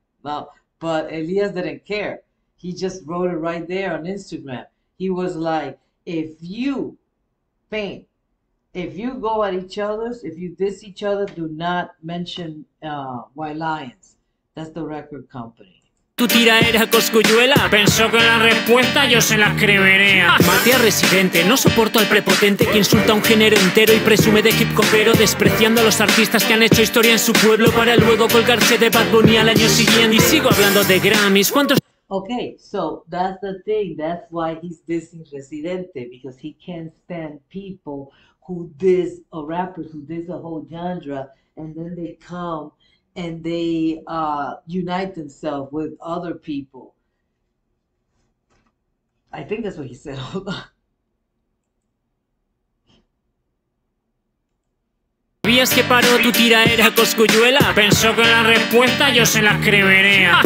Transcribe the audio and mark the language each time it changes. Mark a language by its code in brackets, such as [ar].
[en] No, but Elias didn't care. He just wrote it right there on Instagram. He was like, if you go at each other's, if you diss each other, do not mention White Lions. That's the record company. [es] Tu tiraera Cosculluela. Pensó que la respuesta yo se la escribiría. Mate a Residente, no soporto al prepotente que insulta a un género entero y presume de hip hopero, despreciando a los artistas que han hecho historia en su pueblo para luego colgarse de Bad Bunny al año siguiente. Y sigo hablando de Grammys. ¿Cuántos? [en] Okay, so that's the thing. That's why he's dissing Residente, because he can't stand people who diss a rapper, who diss a whole genre, and then they come and they unite themselves with other people. I think that's what he said. Hold on. [es] ¿Sabías que paró tu tiraera a Cosculluela? Pensó que la respuesta yo se la escribiría.